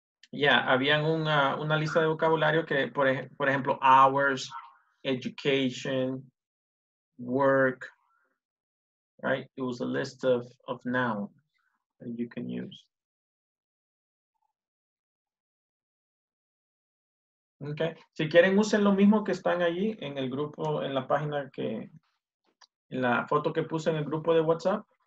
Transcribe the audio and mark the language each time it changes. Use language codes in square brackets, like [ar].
[es] Yeah, habían una lista de vocabulario que, por ejemplo, [en] hours, education, work. Right, it was a list of nouns that you can use. Okay. [es] Si quieren, usen lo mismo que están allí en el grupo, en la página que, en la foto que puse en el grupo de WhatsApp.